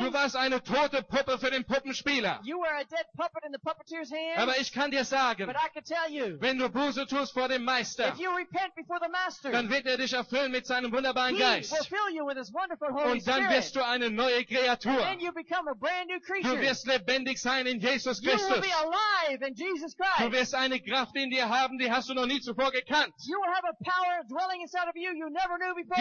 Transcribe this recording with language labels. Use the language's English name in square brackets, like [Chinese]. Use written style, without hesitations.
[German] Du warst eine tote Puppe für den Puppenspieler. [English] You were a dead puppet in the puppeteer's hands. [German] Aber ich kann dir sagen, [English] but I can tell you, [German] wenn du Buße tust vor dem Meister, [English] if you repent before the master, [German] dann wird er dich erfüllen mit seinem wunderbaren [English] he [German] Geist. [English] Will fill you with his wonderful Holy [German] und dann [English] Spirit. [German] Wirst du eine neue Kreatur. [English] And then you become a brand new creature. [German] Du wirst lebendig sein in Jesus Christus. [English] You will be alive in Jesus Christ. [German] Du wirst eine Kraft in dir haben, die hast du noch nie zuvor gekannt. [English] You will have a power dwelling inside of you you never knew before.